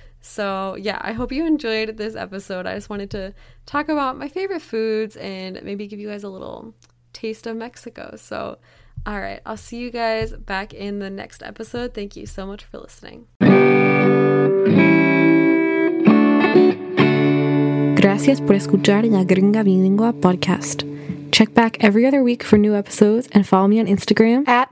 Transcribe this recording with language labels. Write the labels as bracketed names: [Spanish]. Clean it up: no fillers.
[English] So yeah, I hope you enjoyed this episode. I just wanted to talk about my favorite foods and maybe give you guys a little taste of Mexico. So all right, I'll see you guys back in the next episode. Thank you so much for listening. [Spanish] Gracias por escuchar La Gringa Bilingua podcast. [English] Check back every other week for new episodes and follow me on Instagram